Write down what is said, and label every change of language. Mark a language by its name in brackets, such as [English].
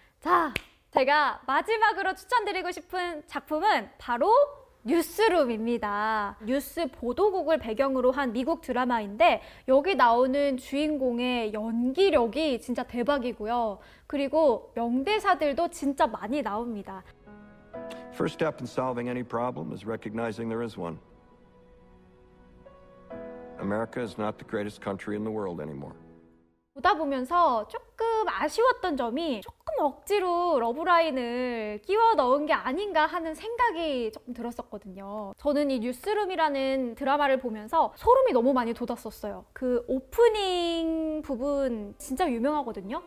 [Korean] 자, 제가 마지막으로 추천드리고 싶은 작품은 바로 뉴스룸입니다. 뉴스 보도국을 배경으로 한 미국 드라마인데 여기 나오는 주인공의 연기력이 진짜 대박이고요. 그리고 명대사들도 진짜 많이 나옵니다. [English] First step in solving any problem is recognizing there is one. America is not the greatest country in the world anymore. [Korean] 보다 보면서 조금 아쉬웠던 점이 조금 억지로 러브라인을 끼워 넣은 게 아닌가 하는 생각이 조금 들었었거든요. 저는 이 뉴스룸이라는 드라마를 보면서 소름이 너무 많이 돋았었어요. 그 오프닝 부분 진짜 유명하거든요.